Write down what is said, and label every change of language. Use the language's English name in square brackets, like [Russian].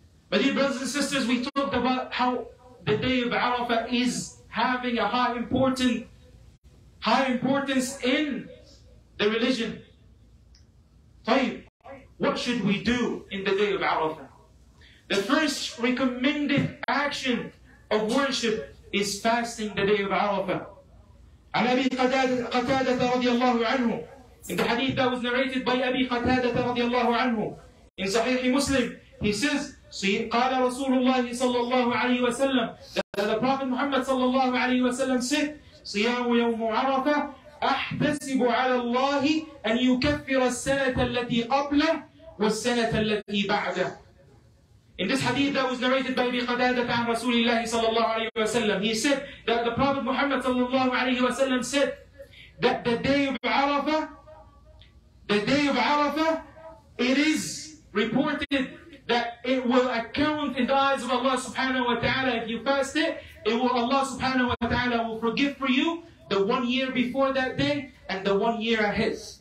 [English] My dear brothers and sisters, we talked about how the day of Arafah is having a high importance in the religion. [Arabic] طيب, [English] what should we do in the day of Arafah? The first recommended action of worship is fasting the day of Arafah. [Arabic] عن أبي قتادة رضي الله عنه [English] In the hadith that was narrated by [Arabic] أبي قتادة رضي الله عنه [English] In [Arabic] صحيح مسلم, [English] he says, [Arabic] قال رسول الله صلى الله عليه وسلم [English] that the Prophet Muhammad [Arabic] صلى الله عليه وسلم [English] said, [Arabic] صيام يوم عرفة أحتسب على الله أن يكفر السنة التي قبله والسنة التي بعده. [English] In this hadith that was narrated by Abi Qatada [Arabic] عن رسول الله صلى الله عليه وسلم, [English] he said that the Prophet Muhammad [Arabic] صلى الله عليه وسلم [English] said that the day of Arafah, it is reported that it will account in the eyes of Allah subhanahu wa ta'ala if you fast it, Allah subhanahu wa ta'ala will forgive for you the 1 year before that day and the 1 year ahead.